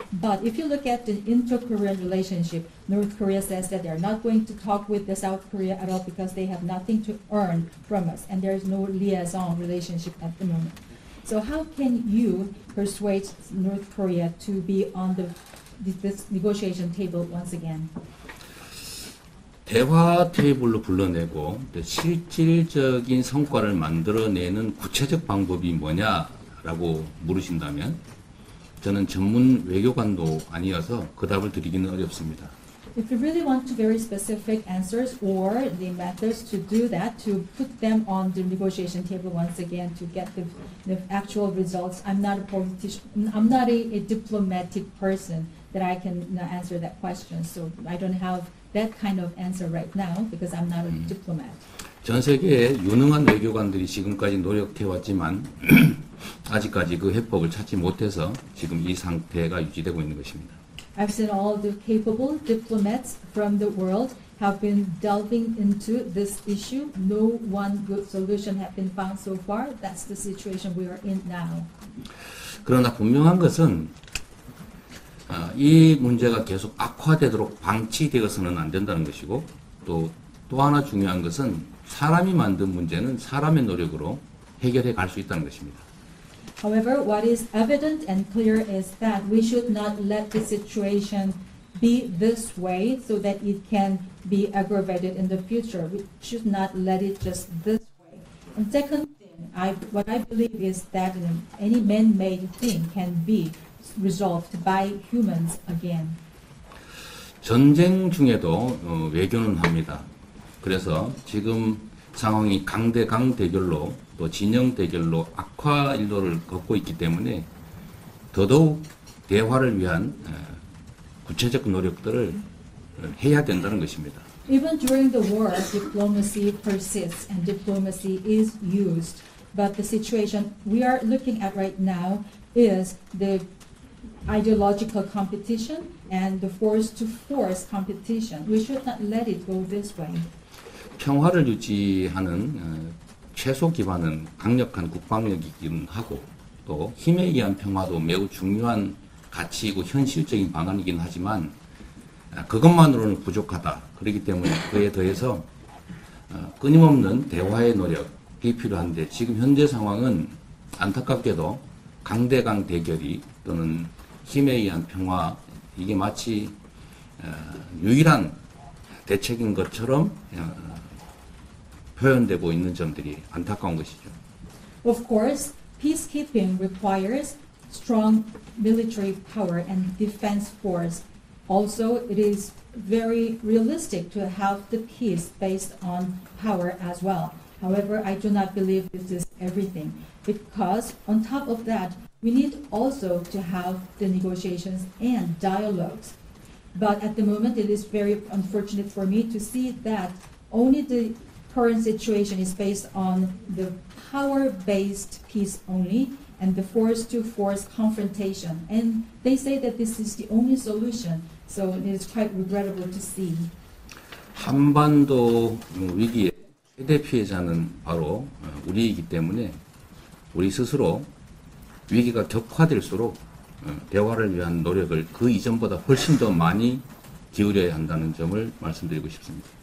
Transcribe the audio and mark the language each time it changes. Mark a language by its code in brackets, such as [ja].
[en] But if you look at the inter-Korean relationship, North Korea says that they are not going to talk with the South Korea at all because they have nothing to earn from us and there is no liaison relationship at the moment. So how can you persuade North Korea to be on this negotiation table once again? [ko] 대화 테이블로 불러내고 실질적인 성과를 만들어내는 구체적 방법이 뭐냐라고 물으신다면 저는 전문 외교관도 아니어서 그 답을 드리기는 어렵습니다. [en] If you really want to very specific answers or the methods to do that, to put them on the negotiation table once again to get the actual results, I'm not a politician, I'm not a diplomatic person that I can answer that question. So I don't have that kind of answer right now because I'm not a diplomat. [ko] 전 세계에 유능한 외교관들이 지금까지 노력해왔지만 아직까지 그 해법을 찾지 못해서 지금 이 상태가 유지되고 있는 것입니다. [en] I've seen all the capable diplomats from the world have been delving into this issue. No one good solution has been found so far. That's the situation we are in now. [ko] 그러나 분명한 것은 이 문제가 계속 악화되도록 방치되어서는 안 된다는 것이고 또 하나 중요한 것은 사람이 만든 문제는 사람의 노력으로 해결해 갈 수 있다는 것입니다. [en] However, what is evident and clear is that we should not let the situation be this way so that it can be aggravated in the future. We should not let it just this way. And second thing, what I believe is that any man-made thing can be resolved by humans again. [ko] 전쟁 중에도 외교는 합니다. 그래서 지금 상황이 강대강 대결로 또 진영 대결로 악화 일로를 걷고 있기 때문에 더더욱 대화를 위한 구체적 노력들을 해야 된다는 것입니다. [en] Even during the war, diplomacy persists and diplomacy is used. But the situation we are looking at right now is the ideological competition and the force-to-force competition. We should not let it go this way. [ko] 평화를 유지하는 최소 기반은 강력한 국방력이기는 하고 또 힘에 의한 평화도 매우 중요한 가치이고 현실적인 방안이긴 하지만 그것만으로는 부족하다. 그렇기 때문에 그에 더해서 끊임없는 대화의 노력이 필요한데 지금 현재 상황은 안타깝게도 강대강 대결이 또는 힘에 의한 평화 이게 마치 유일한 대책인 것처럼 표현되고 있는 점들이 안타까운 것이죠. [en] Of course, peacekeeping requires strong military power and defense force. Also, it is very realistic to have the peace based on power as well. However, I do not believe this is everything because on top of that, we need also to have the negotiations and dialogues. But at the moment, it is very unfortunate for me to see that only the current situation is based on the power-based peace only and the force-to-force confrontation. And they say that this is the only solution, so it is quite regrettable to see. [ko] 한반도 위기의 최대 피해자는 바로 우리이기 때문에 우리 스스로 위기가 격화될수록 대화를 위한 노력을 그 이전보다 훨씬 더 많이 기울여야 한다는 점을 말씀드리고 싶습니다.